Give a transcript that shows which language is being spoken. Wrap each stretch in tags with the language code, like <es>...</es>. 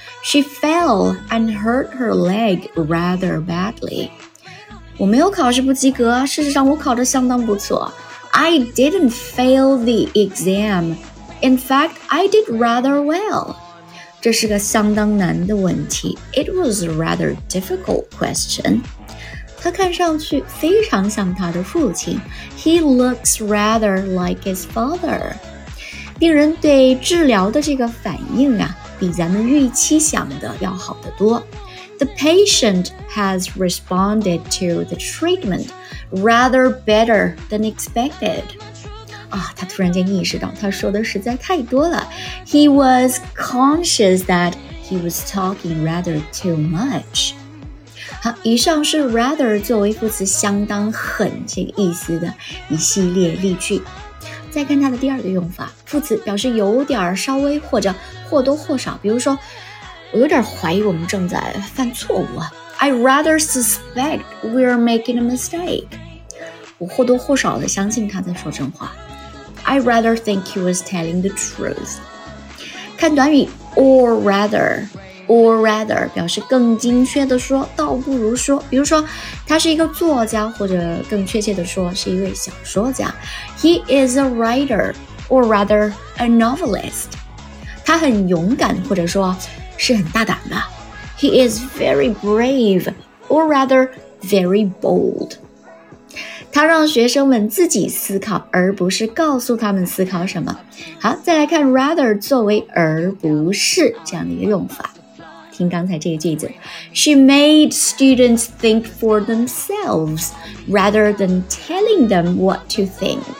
<en>She fell and hurt her leg rather badly.</en> <zh>我没有考试不及格，事实上我考得相当不错。</zh> <en>I didn't fail the exam. In fact, I did rather well.</en> <zh>这是个相当难的问题。</zh> <en>It was a rather difficult question.</en> <zh>她看上去非常像她的父亲。</zh> <en>He looks rather like his father.</en> <zh>病人对治疗的这个反应啊，比咱们预期想的要好得多。</zh> <en>The patient has responded to the treatment rather better than expected.</en> <zh>啊，他突然间意识到他说的实在太多了。</zh> <en>He was conscious that he was talking rather too much.</en> <zh>好，以上是 rather 作为副词相当狠这个意思的一系列例句。再看它的第二个用法，副词表示有点稍微或者或多或少，比如说我有点怀疑我们正在犯错误啊。</zh> <en>I rather suspect we're making a mistake.</en> <zh>我或多或少的相信他在说真话。</zh> <en>I rather think he was telling the truth.</en> <zh>看短语 or rather 表示更精确的说，倒不如说。比如说他是一个作家，或者更确切的说是一位小说家。</zh> <en>He is a writer, or rather a novelist.</en> <zh>他很勇敢，或者说是很大胆的。</zh> <en>He is very brave, or rather very bold.</en> <zh>他让学生们自己思考，而不是告诉他们思考什么。好，再来看 rather 作为而不是这样的一个用法。听刚才这个句子，</zh> <en>She made students think for themselves rather than telling them what to think.</en>